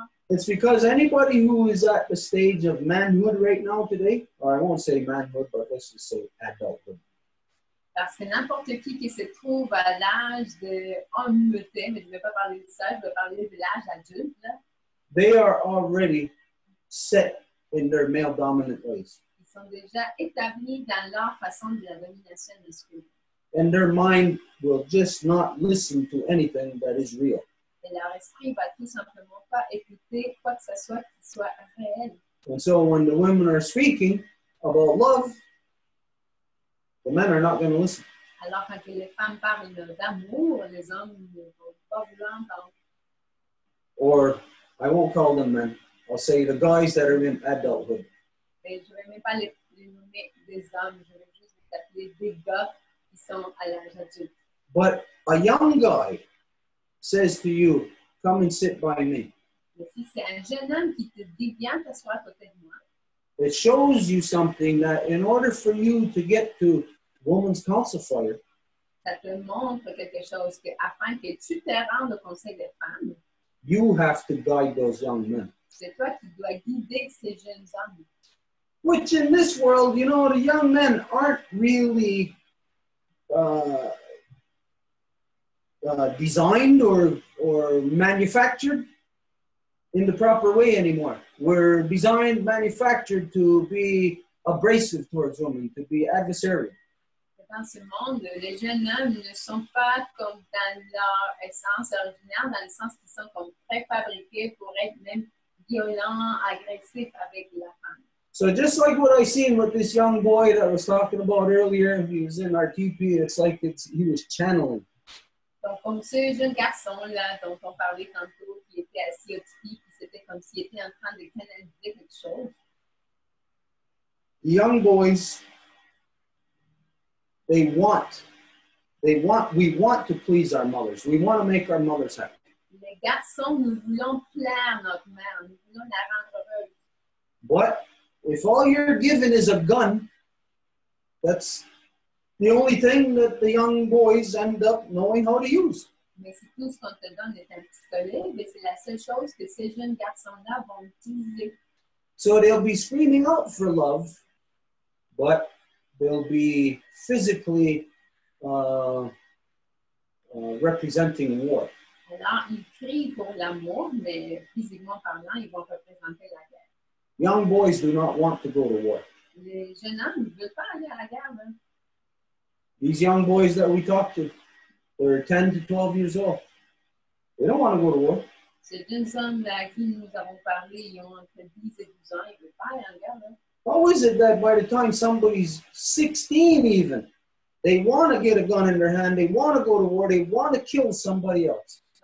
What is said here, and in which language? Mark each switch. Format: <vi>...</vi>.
<en>It's because anybody who is at the stage of manhood right now today, or I won't say manhood, but let's just say adulthood.</en> <fr>Parce que n'importe qui se trouve à l'âge de hommeté, mais je ne vais pas parler de ça, je vais parler de l'âge adulte. Là.</fr> <en>They are already set in their male dominant ways.</en> <fr>Sont déjà établis dans leur façon de la domination masculine.</fr> <en>And their mind will just not listen to anything that is real.</en> <fr>Et leur esprit va tout simplement pas écouter quoi que ce soit qui soit réel.</fr> <en>And so when the women are speaking about love, the men are not going to listen.</en> <fr>Alors quand les femmes parlent d'amour, les hommes ne vont pas vouloir entendre.</fr> <en>Or, I won't call them men. I'll say the guys that are in adulthood.</en> <fr>Mais je ne vais même pas les nommer des hommes, je vais juste les appeler des gars qui sont à l'âge adulte.</fr> <en>But a young guy says to you, come and sit by me.</en> <fr>Mais si c'est un jeune homme qui te dit, viens t'asseoir à côté de moi.</fr> <en>It shows you something that in order for you to get to woman's council fire.</en> <fr>Ça te montre quelque chose que afin que tu te rendes au conseil des femmes.</fr> <en>You have to guide those young men.</en> <fr>C'est toi qui dois guider ces jeunes hommes.</fr> <en>Which in this world, you know, the young men aren't really designed or manufactured in the proper way anymore. We're designed, manufactured to be abrasive towards women, to be adversarial.</en> <fr>Dans ce monde, les jeunes hommes ne sont pas comme dans leur essence originaire, dans le sens qu'ils sont comme préfabriqués pour être même violents, agressifs avec la femme.</fr> <en>So just like what I seen with this young boy that I was talking about earlier, he was in our TP, it's like he was channeling.</en> <fr>Donc comme ce jeune garçon là dont on parlait tantôt, qui était assis au TP, c'était comme s'il était en train de canaliser quelque chose.</fr> <en>Young boys, we want to please our mothers. We want to make our mothers happy.</en> <fr>Les garçons, nous voulons plaire notre mère. Nous voulons la rendre heureuse.</fr> <en>What? If all you're given is a gun, that's the only thing that the young boys end up knowing how to use.</en> <fr>Mais si tout ce qu'on te donne est un pistolet, mais c'est la seule chose que ces jeunes garçons-là vont utiliser.</fr> <en>So they'll be screaming out for love, but they'll be physically representing war.</en> <fr>Alors, ils crient pour l'amour, mais physiquement parlant, ils vont représenter la guerre.</fr> <en>Young boys do not want to go to war.</en> <fr>Les jeunes hommes ne veulent pas aller à la guerre. Hein?</fr> <en>These young boys that we talk to, they're 10 to 12 years old. They don't want to go to war.</en> <fr>Ces jeunes hommes à qui nous avons parlé, ils ont entre 10 et 12 ans, ils ne veulent pas aller à la guerre. Hein?</fr> <en>How is it that by the time somebody's 16 even, they want to get a gun in their hand, they want to go to war, they want to kill somebody else?</en>